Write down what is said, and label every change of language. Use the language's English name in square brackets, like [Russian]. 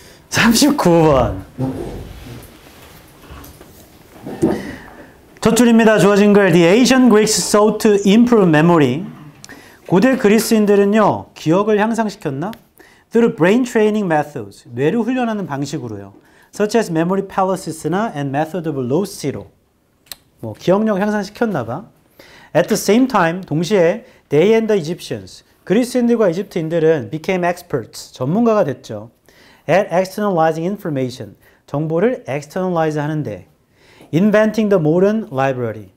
[Korean] 39번. 첫줄입니다. 주어진 글. [English] The ancient Greeks sought to improve memory. [Korean] 고대 그리스인들은요, 기억을 향상시켰나? [English] Through brain training methods, [Korean] 뇌를 훈련하는 방식으로요. [English] Such as memory palaces나 and method of locero. [Korean] 뭐 기억력 향상시켰나 봐. [English] At the same time, [Korean] 동시에 [English] they and the Egyptians, [Korean] 그리스인들과 이집트인들은 [English] became experts, [Korean] 전문가가 됐죠. [English] At externalizing information, [Korean] 정보를 [English] externalize [Korean] 하는데 [English] Inventing the modern library.